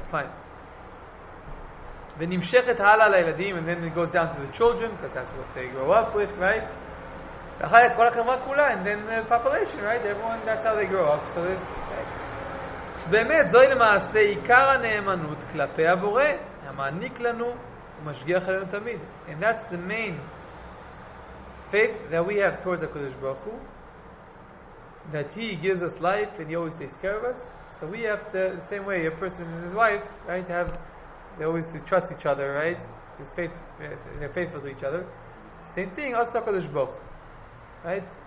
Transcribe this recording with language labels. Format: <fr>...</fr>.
<en>Fine. And then it goes down to the children, because that's what they grow up with, right? And then the population, right? Everyone, that's how they grow up. So this.</en> <he>באמת, זוהי למעשה עיקר הנאמנות כלפי הבורא, המעניק לנו ומשגיח עלינו תמיד.</he> <en>And that's the main faith that we have towards HaKadosh Baruch Hu, that He gives us life and He always takes care of us. So we have to, the same way a person and his wife, right, they always trust each other, right? They're faithful to each other. Same thing, us to HaKadosh Baruch Hu, right?</en>